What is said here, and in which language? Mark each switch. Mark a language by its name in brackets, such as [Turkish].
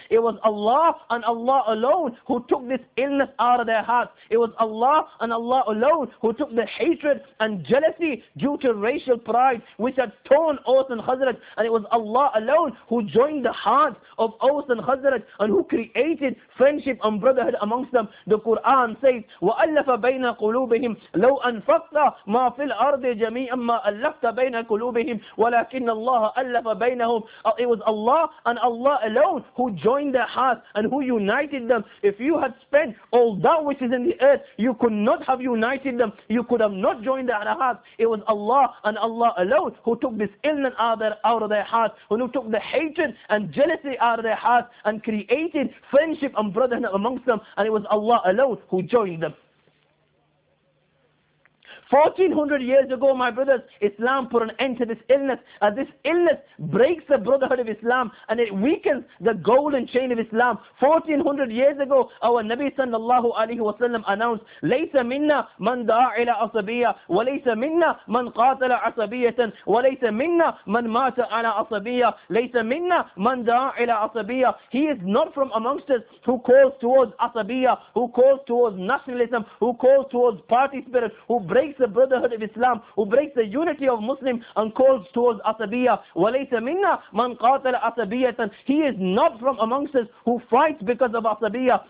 [English] It was Allah and Allah alone who took this illness out of their hearts. It was Allah and Allah alone who took the hatred and jealousy due to racial pride which had torn Aus and Khazraj. And it was Allah alone who joined the hearts of Aus and Khazraj and who created friendship and brotherhood amongst them. The Quran says, [Arabic] وَأَلَّفَ بَيْنَ قُلُوبِهِمْ لَوْ أَنْفَقْتَ مَا فِي الْأَرْضِ جَمِيعًا مَا أَلَّفْتَ بَيْنَ قُلُوبِهِمْ وَلَكِنَّ اللَّهَ أَلَّفَ بَيْنَهُمْ. [English] It was Allah and Allah alone who joined their hearts and who united them. If you had spent all that which is in the earth, you could not have united them. You could have not joined their hearts. It was Allah and Allah alone who took this illness out of their hearts, who took the hatred and jealousy out of their hearts and created friendship and brotherhood amongst them. And it was Allah alone who joined them. 1400 years ago, my brothers, Islam put an end to this illness. As this illness breaks the brotherhood of Islam and it weakens the golden chain of Islam. 1400 years ago, our Nabi sallallahu alaihi wasallam announced, [Arabic] لَيْسَ مِنَّا مَنْ دَعَى إِلَىٰ أَصَبِيَّةٍ وَلَيْسَ مِنَّا مَنْ قَاتَلَ أَصَبِيَّةً وَلَيْسَ مِنَّا مَنْ مَاتَ عَلَىٰ أَصَبِيَّةٍ لَيْسَ مِنَّا مَنْ دَعَى إِلَىٰ أَصَبِيَّةٍ. [English] He is not from amongst us who calls towards Asabiyya, who calls towards nationalism, who calls towards party spirit, who breaks the brotherhood of Islam, who breaks the unity of Muslim and calls towards Asabiyya. [Arabic] وَلَيْسَ مِنَّا مَنْ قَاتَلَ أَصَبِيَّةً. [English] He is not from amongst us who fights because of Asabiyya.